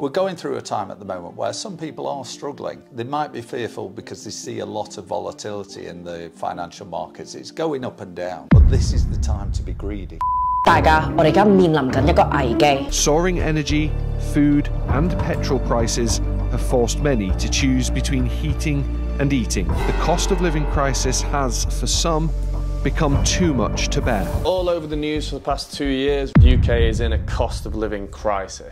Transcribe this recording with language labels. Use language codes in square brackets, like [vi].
[en] We're going through a time at the moment where some people are struggling. They might be fearful because they see a lot of volatility in the financial markets. It's going up and down. But this is the time to be greedy. [yue] 大家，我哋而家面临紧一个危机。 [en] Soaring energy, food and petrol prices have forced many to choose between heating and eating. The cost of living crisis has, for some, become too much to bear. All over the news for the past 2 years, UK is in a cost of living crisis.